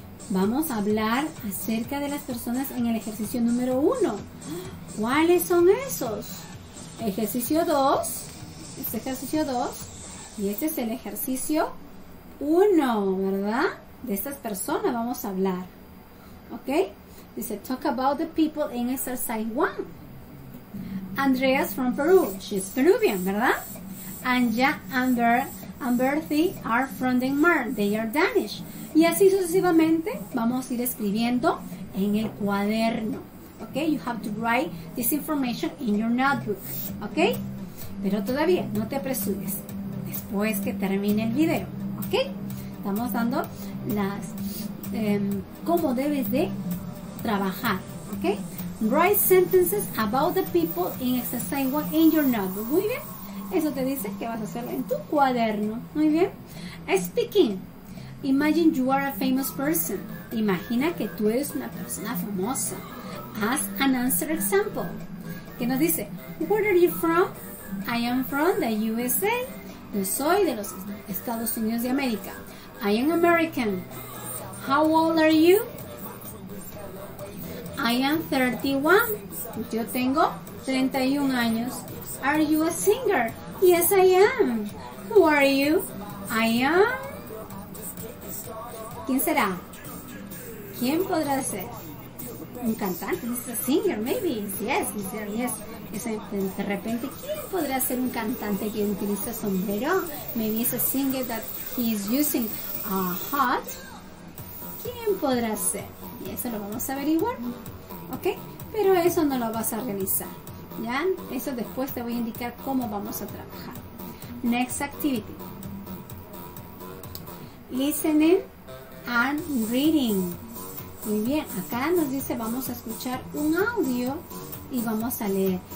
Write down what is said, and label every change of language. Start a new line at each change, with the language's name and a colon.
Spanish: Vamos a hablar acerca de las personas en el ejercicio número 1. ¿Cuáles son esos? Ejercicio 2. Este ejercicio 2. Y este es el ejercicio 1, ¿verdad? De estas personas vamos a hablar. ¿Ok?
English: Dice, talk about the people in exercise one. Andrea's from Peru. She's Peruvian, ¿verdad? Anja and Bertie are from Denmark. They are Danish.
Spanish: Y así sucesivamente vamos a ir escribiendo en el cuaderno.
English: Okay, you have to write this information in your notebook.
Spanish: Okay? Pero todavía no te apresures. Después que termine el video. Okay? Estamos dando las cómo debes de trabajar. Okay?
English: Write sentences about the people in exercise one in your notebook.
Spanish: Muy bien. Eso te dice que vas a hacerlo en tu cuaderno. Muy bien.
English: Speaking. Imagine you are a famous person.
Spanish: Imagina que tú eres una persona famosa.
English: As an answer example.
Spanish: Que nos dice,
English: where are you from? I am from the USA.
Spanish: Yo soy de los Estados Unidos de América.
English: I am American. How old are you? I am 31.
Spanish: Yo tengo 31 años.
English: Are you a singer? Yes, I am. Who are you? I am...
Spanish: ¿Quién será? ¿Quién podrá ser? Un cantante, es
English: a singer, maybe, yes, yes, yes.
Spanish: De repente, ¿quién podría ser un cantante que utiliza sombrero?
English: Maybe it's a singer that he is using a hat.
Spanish: ¿Quién podrá ser? Y eso lo vamos a averiguar, ¿ok? Pero eso no lo vas a realizar, ¿ya? Eso después te voy a indicar cómo vamos a trabajar.
English: Next activity. Listening and reading.
Spanish: Muy bien, acá nos dice vamos a escuchar un audio y vamos a leer.